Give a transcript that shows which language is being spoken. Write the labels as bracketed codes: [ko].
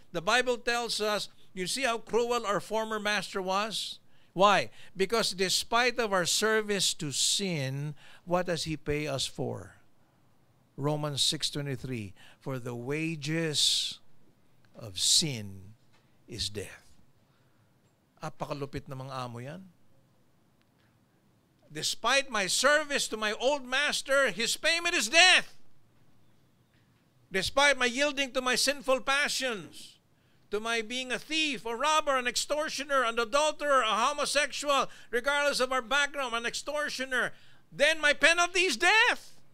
[en] The Bible tells us, you see how cruel our former master was? Why? Because despite of our service to sin, what does he pay us for? Romans 6:23, for the wages of sin is death. [tl] Apakalupit na mga amo yan. [en] Despite my service to my old master, his payment is death. Despite my yielding to my sinful passions, to my being a thief, a robber, an extortioner, an adulterer, a homosexual, regardless of our background, an extortioner, then my penalty is death.